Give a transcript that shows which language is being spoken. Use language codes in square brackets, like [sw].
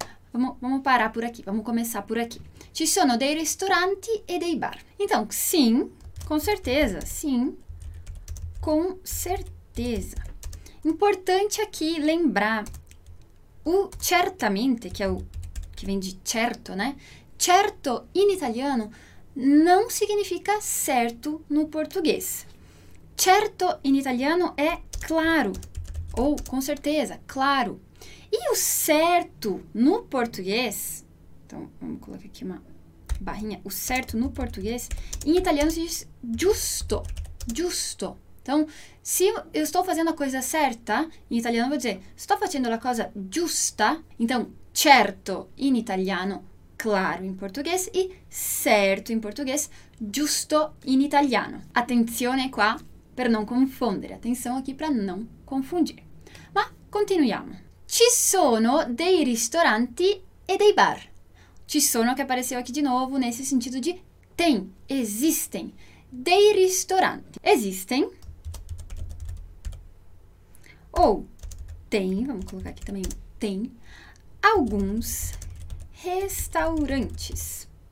[pt] Vamos parar por aqui, vamos começar por aqui. [it] Ci sono dei ristoranti e dei bar. [pt] Então, sim, com certeza, sim, com certeza. Importante aqui lembrar o certamente, que é o que vem de certo, né? Certo, em italiano, não significa certo no português. Certo em italiano é claro, ou com certeza, claro. E o certo no português, então vamos colocar aqui uma barrinha, o certo no português, em italiano se diz giusto, giusto. Então, se eu estou fazendo a coisa certa, em italiano eu vou dizer, estou fazendo a coisa giusta, então certo em italiano, claro em português, e certo em português, giusto em italiano. [it] Attenzione qua per non confondere, [pt] atenção aqui para não confundir. [it] Ma continuiamo. Ci sono dei ristoranti e dei bar. [pt] Ci sono, que apareceu aqui de novo, nesse sentido de tem, existem. [it] Dei ristoranti. Existem. [pt] Ou tem, vamos colocar aqui também, tem alguns restaurantes.